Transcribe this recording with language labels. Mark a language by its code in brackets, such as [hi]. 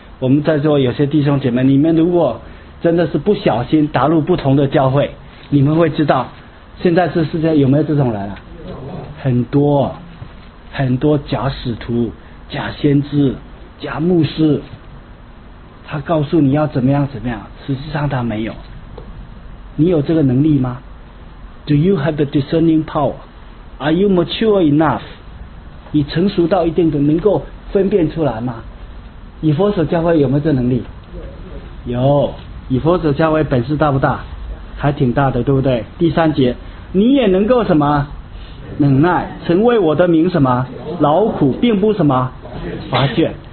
[zh] 我们在座有些弟兄姐妹，你们如果真的是不小心打入不同的教会，你们会知道现在这世界有没有这种人啊？很多很多假使徒、假先知、假牧师，他告诉你要怎么样怎么样，实际上他没有。你有这个能力吗？ [en] Do you have the discerning power? Are you mature enough? [zh] 你成熟到一定的能够分辨出来吗？以弗所教会有没有这能力？有。以弗所教会本事大不大？还挺大的，对不对？第三节，你也能够什么忍耐，曾为我的名什么劳苦，并不什么乏倦。